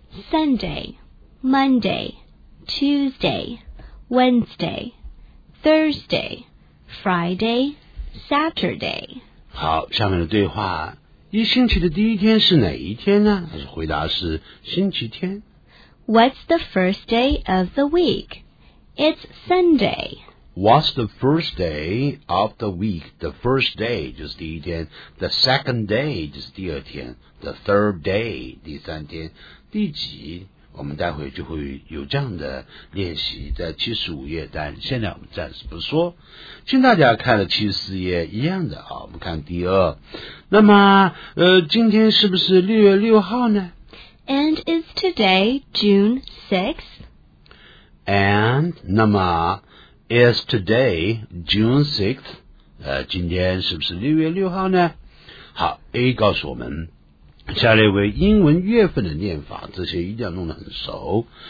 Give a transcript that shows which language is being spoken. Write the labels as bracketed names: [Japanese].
[English] Sunday Monday Tuesday Wednesday Thursday Friday Saturday。 [Chinese] 好，下面的对话，一星期的第一天是哪一天呢？他回答是星期天。 [English] What's the first day of the week? It's Sunday. What's the first day of the week? The first day [Chinese] 就是第一天。 [English] The second day [Chinese] 就是第二天。 [English] The third day [Chinese] 第三天。第几？我们待会就会有这样的练习，在75页，但现在我们暂时不说。请大家看了74页一样的啊，我们看第二。那么今天是不是6月6号呢？ [English] And is today June 6th? And 那么 is today June 6th? [Chinese] 今天是不是6月6号呢？好， A 告诉我们下列为英文月份的念法，这些一定要弄得很熟。